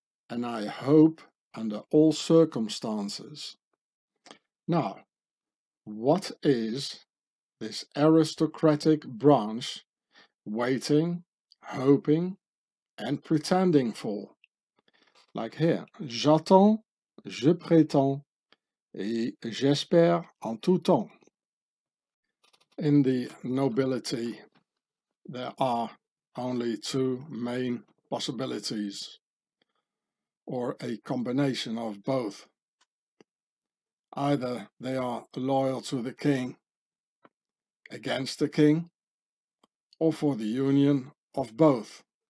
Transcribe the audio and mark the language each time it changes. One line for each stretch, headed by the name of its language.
English: and I hope under all circumstances. Now, what is this aristocratic branch waiting, hoping, and pretending for? Like here,
French: j'attends, je prétends, et j'espère en tout temps.
English: In the nobility, there are only two main possibilities, or a combination of both. Either they are loyal to the king, against the king, or for the union of both.